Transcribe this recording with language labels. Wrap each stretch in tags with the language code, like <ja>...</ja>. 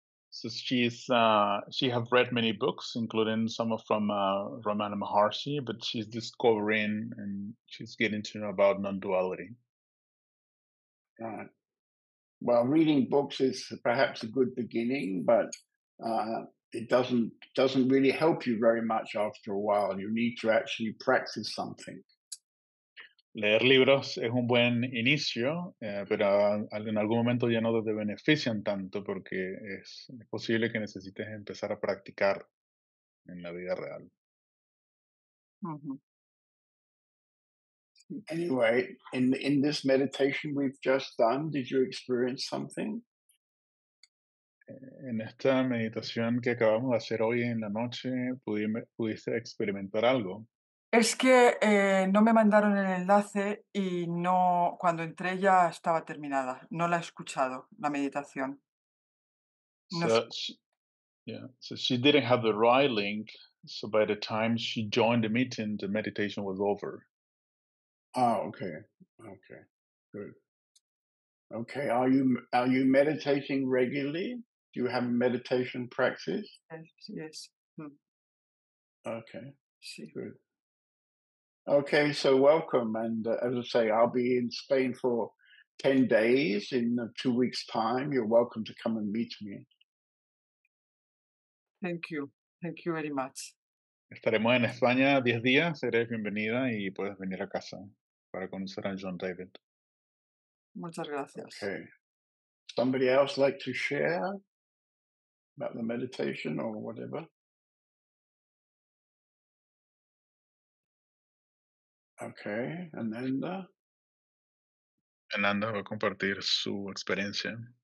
<en>So she has read many books, including some from Ramana Maharshi, but she's discovering and she's getting to know about non-duality. Well, reading books is perhaps a good beginning, but it doesn't really help you very much after a while. You need to actually practice something.</en> <es>Leer libros es un buen inicio, pero en algún momento ya no te benefician tanto porque es posible que necesites empezar a practicar en la vida real. Mm-hmm.</es> <en>Anyway, in this meditation we've just done, did you experience something?</en> <es>En esta meditación que acabamos de hacer hoy en la noche, ¿pudiste experimentar algo? Es que no me mandaron el enlace y no, cuando entré ya estaba terminada. No la he escuchado, la meditación.</es> <en>So she didn't have the right link, so by the time she joined the meeting, the meditation was over. Ah, okay, good. Okay, are you meditating regularly? Do you have meditation practice? Yes. Okay, sí. Good. Okay, so welcome, and as I say, I'll be in Spain for 10 days in 2 weeks' time. You're welcome to come and meet me. Thank you very much.</en> <es>Estaremos en España 10 días, eres bienvenida y puedes venir a casa para conocer a John David. Muchas gracias.</es> <en>Okay. Somebody else like to share about the meditation or whatever? Okay, Ananda.</en> <es>Ananda va a compartir su experiencia.</es>